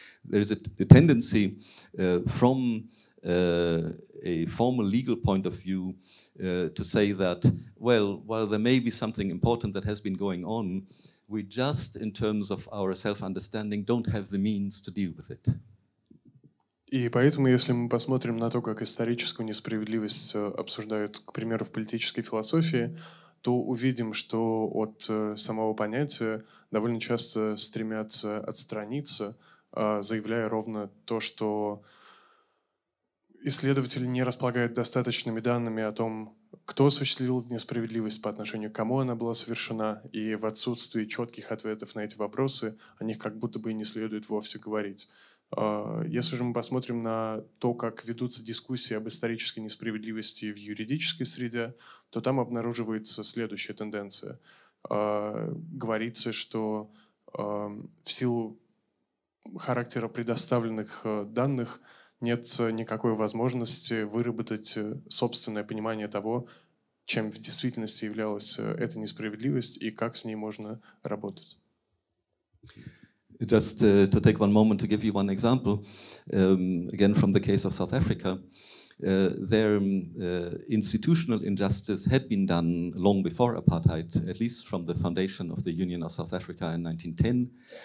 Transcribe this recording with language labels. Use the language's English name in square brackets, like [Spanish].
[English] There is a tendency from a formal legal point of view to say that, well, while there may be something important that has been going on, we just, in terms of our self-understanding, don't have the means to deal with it. [Russian] И поэтому, если мы посмотрим на то, как историческую несправедливость обсуждают, к примеру, в политической философии, то увидим, что от самого понятия довольно часто стремятся отстраниться, заявляя ровно то, что исследователи не располагают достаточными данными о том, кто осуществил несправедливость, по отношению к кому она была совершена, и в отсутствии четких ответов на эти вопросы о них как будто бы и не следует вовсе говорить. Если же мы посмотрим на то, как ведутся дискуссии об исторической несправедливости в юридической среде, то там обнаруживается следующая тенденция. Говорится, что в силу характера предоставленных данных нет никакой возможности выработать собственное понимание того, чем в действительности являлась эта несправедливость и как с ней можно работать. [English] Just to take one moment to give you one example, again from the case of South Africa, there institutional injustice had been done long before apartheid, at least from the foundation of the Union of South Africa in 1910.